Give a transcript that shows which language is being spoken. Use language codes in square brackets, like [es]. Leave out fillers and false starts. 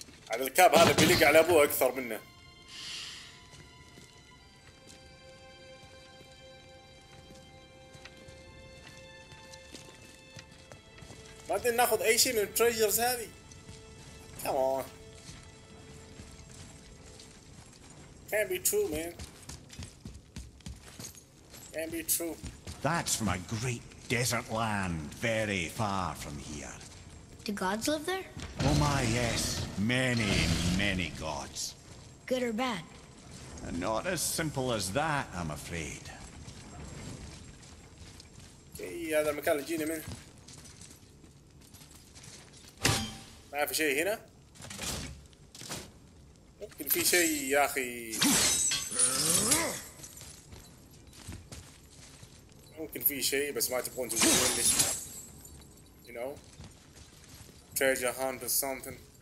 [ar] على الكاب هذا بيلقى على أبوه أكثر منه. بعدين ناخذ اي شيء من التريجرز هذه. [en] كمان can't be true man, can't be true. That's from a great desert land very far from here. Do gods live there? Oh my yes, many many gods. Good or bad? Not as simple as that, I'm afraid. [ar] اي هذا المكان اللي جينا منه. ما في شيء هنا؟ ممكن في شيء يا أخي. ممكن في شيء بس ما تبغون تقولون لي. [en] You know, treasure hunt or something.